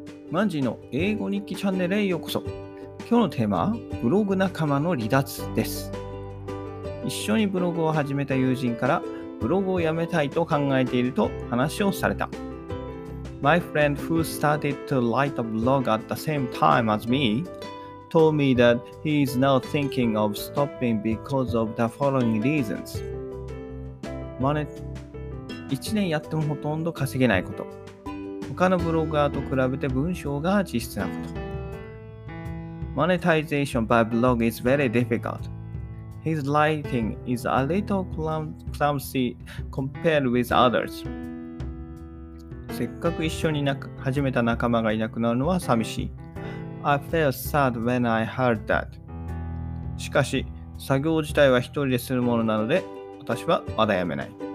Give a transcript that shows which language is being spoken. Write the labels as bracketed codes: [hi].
[ja] マンジーの英語日記チャンネルへようこそ。今日のテーマはブログ仲間の離脱です。一緒にブログを始めた友人からブログをやめたいと考えていると話をされた。 [en] My friend who started to write a blog at the same time as me told me that he is now thinking of stopping because of the following reasons。 [ja] 1年やってもほとんど稼げないこと、他のブロガーと比べて文章が実質なこと。 [en] Monetization by blog is very difficult. His writing is a little clumsy compared with others. [ja] せっかく一緒に始めた仲間がいなくなるのは寂しい。 [en] I felt sad when I heard that. [ja] しかし、作業自体は一人でするものなので、私はまだやめない。